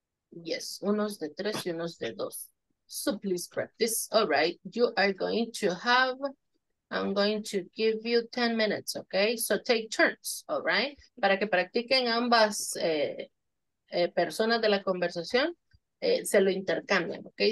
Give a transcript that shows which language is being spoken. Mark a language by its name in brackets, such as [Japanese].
[Spanish] Yes, unos de tres y unos de dos. [English] So please practice. All right, you are going to have, I'm going to give you 10 minutes, okay? So take turns, all right? [Spanish] Para que practiquen ambas personas de la conversación, se lo intercambian, okay?